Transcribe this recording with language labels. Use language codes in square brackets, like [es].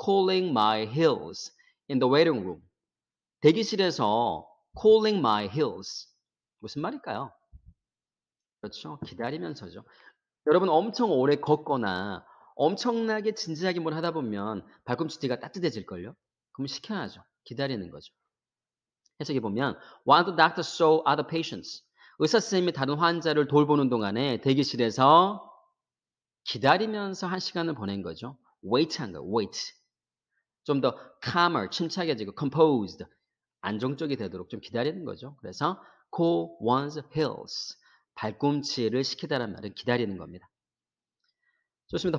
[en] Cooling my heels in the waiting room. [ko] 대기실에서 [en] cooling my heels. [ko] 무슨 말일까요? 그렇죠. 기다리면서죠. 여러분 엄청 오래 걷거나 엄청나게 진지하게 뭘 하다 보면 발꿈치 뒤가 따뜻해질걸요? 그럼 식혀야죠. 기다리는 거죠. 해석해 보면 [en] While the doctor saw other patients. [ko] 의사쌤이 다른 환자를 돌보는 동안에 대기실에서 기다리면서 한 시간을 보낸 거죠. wait 한 거, wait. 좀 더 calmer, 침착해지고, composed, 안정적이 되도록 좀 기다리는 거죠. 그래서 cool one's heels, 발꿈치를 식히다란 말은 기다리는 겁니다. 좋습니다.